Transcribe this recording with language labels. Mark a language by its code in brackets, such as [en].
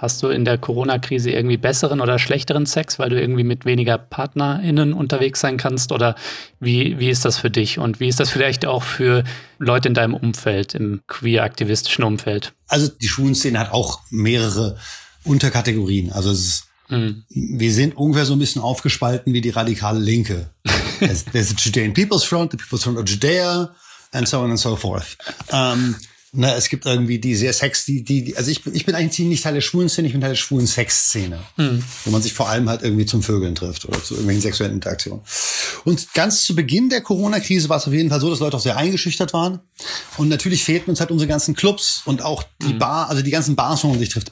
[de] Hast du in der Corona-Krise irgendwie besseren oder schlechteren Sex, weil du irgendwie mit weniger PartnerInnen unterwegs sein kannst? Oder wie ist das für dich? Und wie ist das vielleicht auch für Leute in deinem Umfeld, im queer-aktivistischen Umfeld? Also die Schwulenszene hat auch mehrere Unterkategorien. Also es ist, wir sind ungefähr so ein bisschen aufgespalten wie die radikale Linke. [en] There's the Judean People's Front, the People's Front of Judea. And so on and so forth. [de] Es gibt irgendwie die sehr Sex, also ich bin eigentlich ziemlich Teil der schwulen Szene, ich bin Teil der schwulen Sexszene, wo man sich vor allem halt irgendwie zum Vögeln trifft oder zu irgendwelchen sexuellen Interaktionen. Und ganz zu Beginn der Corona-Krise war es auf jeden Fall so, dass Leute auch sehr eingeschüchtert waren. Und natürlich fehlten uns halt unsere ganzen Clubs und auch die Bar, also die ganzen Bars, wo man sich trifft.